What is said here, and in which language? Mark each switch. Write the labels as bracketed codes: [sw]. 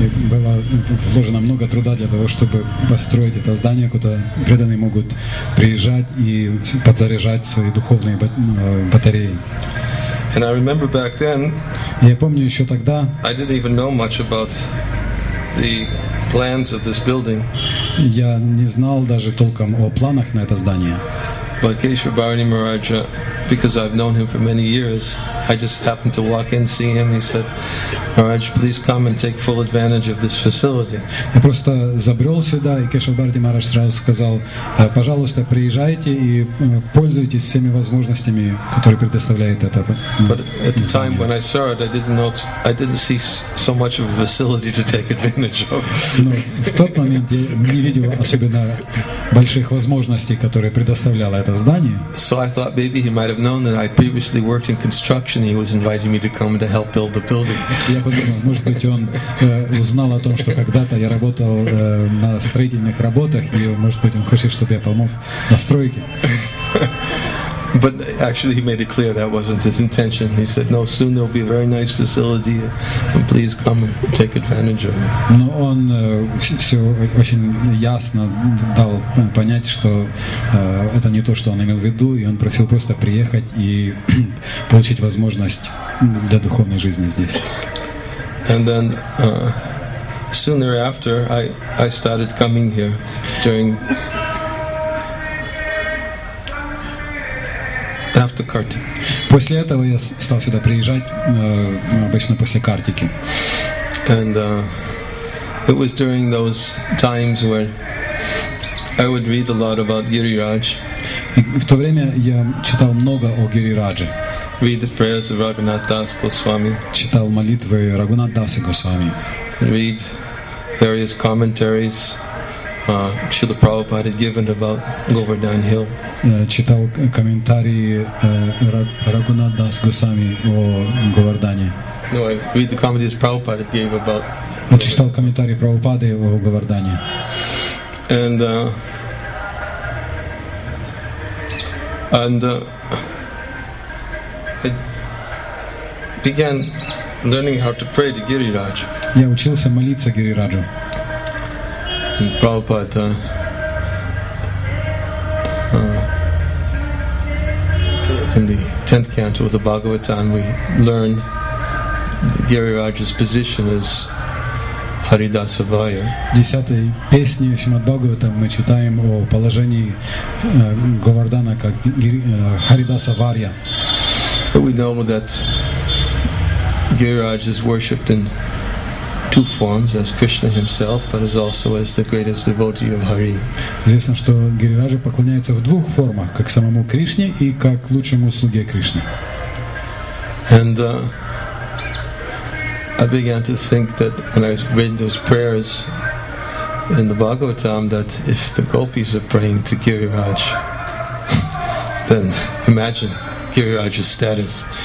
[ru] Было вложено много труда для того, чтобы построить это здание, куда преданные могут приезжать и подзаряжать свои духовные батареи. [en] And I remember back then. [ru] Я помню еще тогда. [en] I didn't even know much about the plans of this building. [ru] Я не знал даже толком о планах на это здание. [en] But Keshav Bhavani Maharaj, because I've known him for many years, I just happened to walk in, see him. He said, "Maharaj, please come and take full advantage of this facility." [ru] Я просто забрел сюда, и Keshav Bhavani Maharaj сразу сказал, "Пожалуйста, приезжайте и пользуйтесь всеми возможностями, которые предоставляет это." [en] But at the time when I saw it, I didn't see so much of a facility to take advantage of. [ru] Но в тот момент я не видел особенно больших возможностей, которые предоставляло это здание. [en] So I thought maybe he might have known that I previously worked in construction. He was inviting me to come to help build the building. [ru] Я подумал, может быть, он узнал о том, что когда-то я работал на строительных работах, и может быть, он хочет, чтобы я помог на стройке. [en] But actually, he made it clear that wasn't his intention. He said, "No, soon there will be a very nice facility, and please come and take advantage of it." [ru] Но он все очень ясно дал понять, что это не то, что он имел в виду, и он просил просто приехать и получить возможность для духовной жизни здесь. [en] And then soon thereafter, I started coming here during. After Kartik. [ru] После этого я стал сюда приезжать обычно после Картики. [en] And it was during those times where I would read a lot about Giriraj. [ru] В то время я читал много о Гирирадже. [en] Read the prayers of Raghunath Das Goswami. [ru] Читал молитвы Рагунатдаса Госвами. [en] Read various commentaries Śrīla Prabhupāda had given about Govardhan Hill. [ru] Читал комментарии Рагунат Дас Госвами о Говардане. [en] No, I read the comments Prabhupāda gave about. [ru] Читал комментарии Прабхупады о Говардане. [en] And I began learning how to pray to Гирирадж. [ru] Я учился молиться Гирираджу. [en] And Prabhupada in the 10th canto of the Bhagavatam, we learn Гирирадж's position as Haridasa Vaya. [ru] В 10-й песне Шримад Бхагаватам мы читаем о положении Говардана как Харидаса Варья. [en] We know that Гирирадж is worshipped in two forms, as Krishna himself, but as also as the greatest devotee of Hari. [ru] Известно, что Гирираджа поклоняется в двух формах, как самому Кришне и как лучшему слуге Кришны. [en] And I began to think that when I read those prayers in the Bhagavatam, that if the gopis are praying to Гирирадж, then imagine Гирирадж's status.